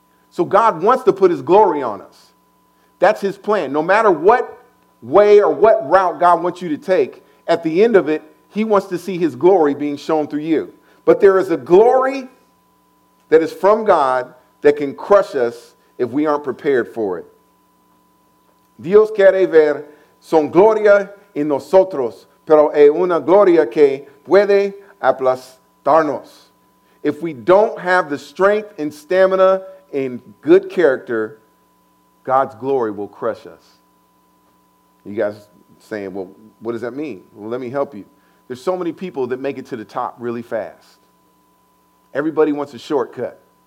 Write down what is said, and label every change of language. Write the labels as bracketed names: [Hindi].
[English] So God wants to put his glory on us. That's his plan. No matter what way or what route God wants you to take, at the end of it, he wants to see his glory being shown through you. But there is a glory that is from God that can crush us if we aren't prepared for it. [Spanish] Dios quiere ver su gloria en nosotros, pero es una gloria que puede aplastarnos. [English] If we don't have the strength and stamina and good character, God's glory will crush us. You guys saying, "Well, what does that mean?" Well, let me help you. There's so many people that make it to the top really fast. Everybody wants a shortcut.